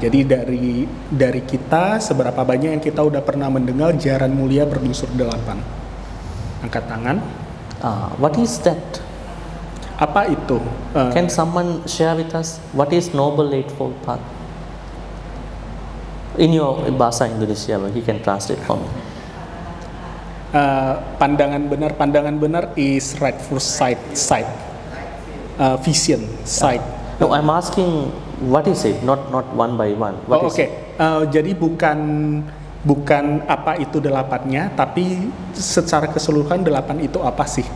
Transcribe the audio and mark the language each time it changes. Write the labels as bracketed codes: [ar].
[id] Jadi dari kita, seberapa banyak yang kita udah pernah mendengar jalan mulia berunsur delapan? Angkat tangan. [en] What is that? [id] Apa itu? [en] Can someone share with us what is Noble Eightfold Path? In your bahasa Indonesia, you can translate for me. [id] Pandangan benar [en] is right for sight. Vision, sight. No, I'm asking what is it, not one by one. [id] Jadi bukan apa itu delapannya, tapi secara keseluruhan delapan itu apa sih?